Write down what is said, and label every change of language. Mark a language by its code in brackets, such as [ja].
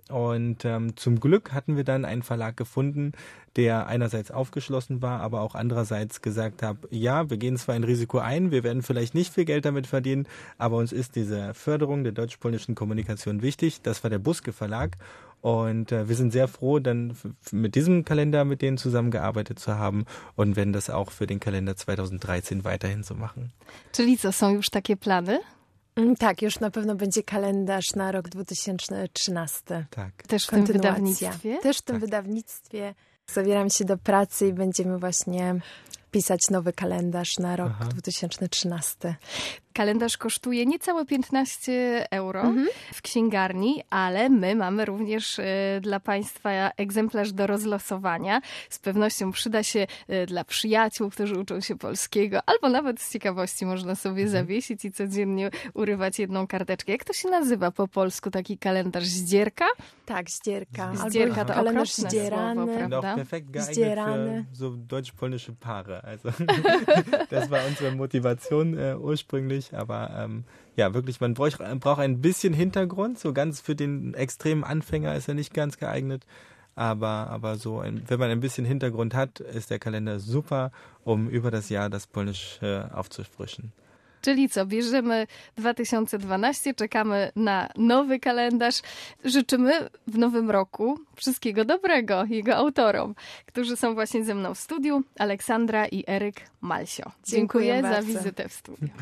[de] Und zum Glück hatten wir dann einen Verlag gefunden, der einerseits aufgeschlossen war, aber auch andererseits gesagt hat, ja, wir gehen zwar ein Risiko ein, wir werden vielleicht nicht viel Geld damit verdienen, aber uns ist diese Förderung der deutsch-polnischen Kommunikation wichtig. Das war der Buske Verlag und wir sind sehr froh, dann mit diesem Kalender mit denen zusammengearbeitet zu haben und werden das auch für den Kalender 2013 weiterhin so machen. [pl] Czyli co, są już takie plany? Tak, już na pewno będzie kalendarz na rok 2013. Tak. Też w tym wydawnictwie? Też w tym wydawnictwie. Zabieram się do pracy i będziemy właśnie pisać nowy kalendarz na rok 2013. Kalendarz kosztuje niecałe 15 euro w księgarni, ale my mamy również dla Państwa egzemplarz do rozlosowania. Z pewnością przyda się dla przyjaciół, którzy uczą się polskiego, albo nawet z ciekawości można sobie zawiesić i codziennie urywać jedną karteczkę. Jak to się nazywa po polsku taki kalendarz? Zdzierka? Tak, zdzierka. Zdzierka to kalendarz zdzierany. Słowo, zdzierany. [de] So deutsch-polnische Paare. Also, das war unsere Motivation ursprünglich, aber ja, wirklich, man braucht ein bisschen Hintergrund, so ganz für den extremen Anfänger ist er nicht ganz geeignet, aber so, wenn man ein bisschen Hintergrund hat, ist der Kalender super, um über das Jahr das Polnisch aufzufrischen. [pl] Czyli co, bierzemy 2012, czekamy na nowy kalendarz. Życzymy w nowym roku wszystkiego dobrego jego autorom, którzy są właśnie ze mną w studiu, Aleksandra i Eryk Malsio. Dziękuję za wizytę w studiu.